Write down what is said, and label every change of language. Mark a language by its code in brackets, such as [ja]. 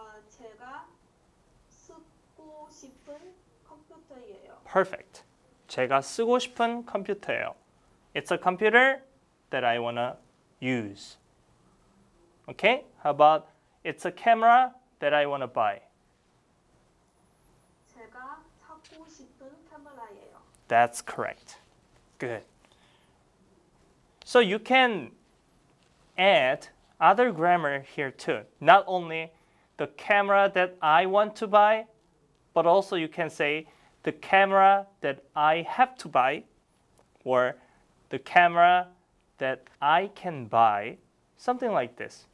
[ko] 제가 쓰고 싶은 컴퓨터예요. [en] Perfect. [ko] 제가 쓰고 싶은 컴퓨터예요. [en] It's a computer that I want to use. Okay? How about it's a camera that I want to buy? [ko] 제가 사고 싶은 카메라예요. [en] That's correct. Good. So you can add other grammar here too. Not only the camera that I want to buy, but also you can say the camera that I have to buy, or the camera that I can buy, something like this.